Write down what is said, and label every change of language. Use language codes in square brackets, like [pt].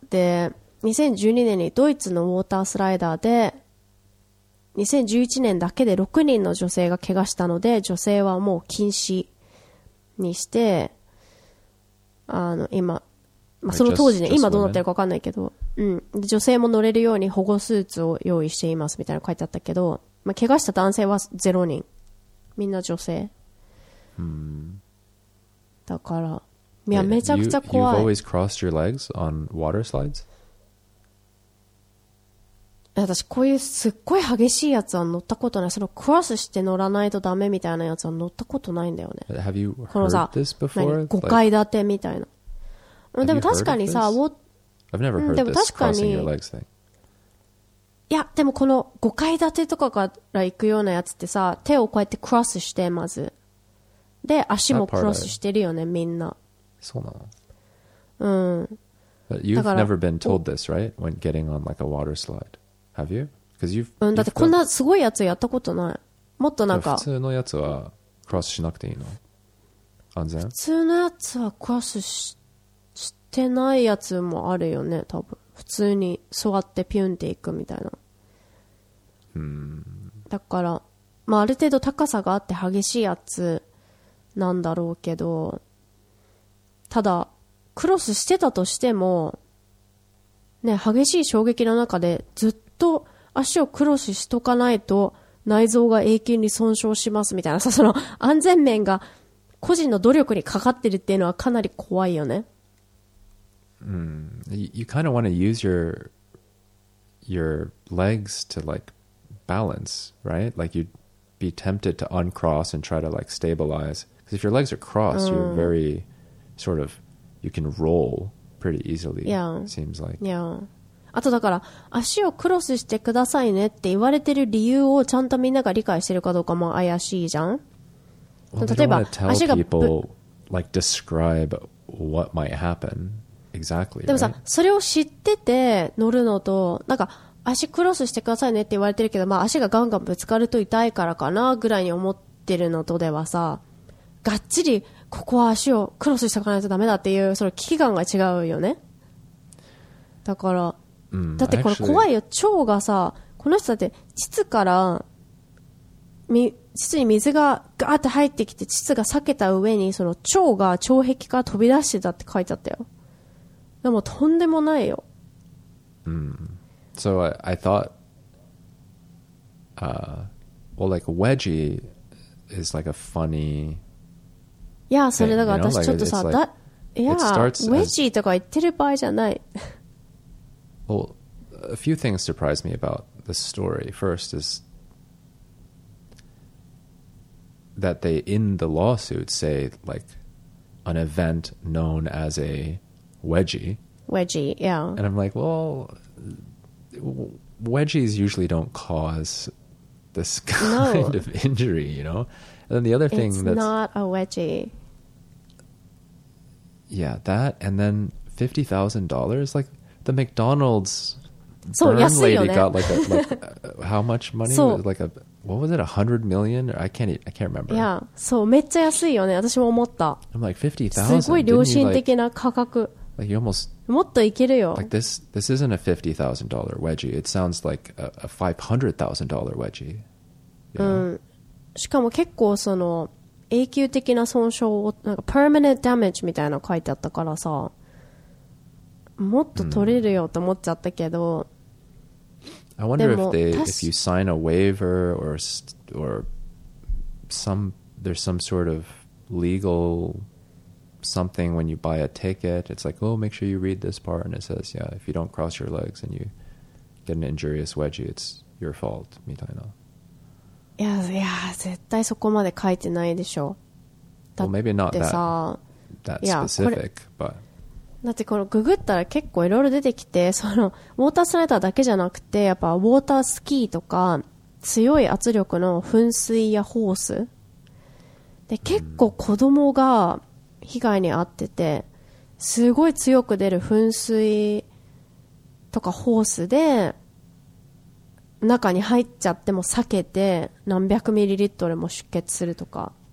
[ja] で、2012年にドイツのウォータースライダーで2011年だけで6人の女性が怪我したので、女性はもう禁止にして、あの今、まあ、その当時ね、今どうなってるか分かんないけど、うん、女性も乗れるように保護スーツを用意していますみたいなの書いてあったけど、まあ、怪我した男性は0人、みんな女性。 Hmm. だから、いや、めちゃくちゃ怖い。 [en] You've always crossed your legs on water slides? [ja] 私こういうすっごい激しいやつは乗ったことない。そのクロスして乗らないとダメみたいなやつは乗ったことないんだよね。 [en] Have you heard this before? [ja] このさ、5階建てみたいな。でも確かにさ、でも確かに、いや、でもこの5階建てとかから行くようなやつってさ、手をこうやってクロスして、まず。で、足もクロスしてるよね、みんな。そうなの。うん。 [en] But you've never been told this, right? When getting on like a water slide. Have you? Because you've, [ja] だってこんなすごいやつやったことない。もっとなんか。普通のやつはクロスしなくていいの？安全？普通のやつはクロスして、してないやつもあるよね、多分。普通に座ってピュンっていくみたいな。だから、まあ、ある程度高さがあって激しいやつなんだろうけど、ただクロスしてたとしてもね、激しい衝撃の中でずっと足をクロスしとかないと内臓が永久に損傷しますみたいなさ、その安全面が個人の努力にかかってるっていうのはかなり怖いよね。 [en] You kind of want to use your legs to like balance, right? Like you'd be tempted to uncross and try to like stabilize. Because if your legs are crossed, you're very sort of, you can roll pretty easily, yeah. It seems like. [ja] Yeah. あとだから足をクロスしてくださいねって言われてる理由をちゃんとみんなが理解してるかどうかも怪しいじゃん。 [en] Well, they don't want to tell people, like describe what might happen. Exactly, right? [ja] でもさ、それを知ってて乗るのと、なんか足クロスしてくださいねって言われてるけど、まあ足がガンガンぶつかると痛いからかなぐらいに思ってるのとではさ、がっちりここは足をクロスしておかないとダメだっていうその危機感が違うよね。だから、だってこれ怖いよ。腸がさ、この人だって膣から膣に水がガーって入ってきて、膣が裂けた上にその腸が腸壁から飛び出してたって書いてあったよ。でもとんでもないよ。うん。 [en] So I thought, well, like wedgie is like a funny. Yeah, so that's just like that. [ja] Yeah, wedgie とか言ってる場合じゃない。 [en] Well, a few things surprised me about the story. First is that they, in the lawsuit, say like an event known as a wedgie. Wedgie, yeah. And I'm like, well, wedgies usually don't cause this kind of injury, you know? And then the other thing it's that's... It's not a wedgie. Yeah, that, and then $50,000, like the McDonald's burn lady got like how much money? Like a, what was it, $100 million? I can't remember. Yeah, so [ja] めっちゃ安いよね、私も思った。 [en] I'm like, $50,000? [ja] すごい良心的な価格。 [en] Like you almost, [ja] もっといけるよ。 [en] Like this isn't a $50,000 wedgie. It sounds like a $500,000 wedgie. Yeah. うん。 [ja] しかも結構その永久的な損傷をなんか [en] permanent damage [ja] みたいなの書いてあったからさ、もっと取れるよと思っちゃったけど。 [en] I wonder if you sign a waiver or some there's some sort of legal something when you buy a ticket, it's like, oh, make sure you read this part, and it says, yeah, if you don't cross your legs and you get an injurious wedgie, it's your fault, [ja] みたいな。いや、いや、絶対そこまで書いてないでしょ。 [en] Well, maybe not that specific, but... [ja] だってこのググったら結構いろいろ出てきて、そのウォータースライダーだけじゃなくて、やっぱウォータースキーとか強い圧力の噴水やホースで結構子供が被害に遭ってて、すごい強く出る噴水とかホースで中に入っちゃっても避けて何百ミリリットルも出血するとか。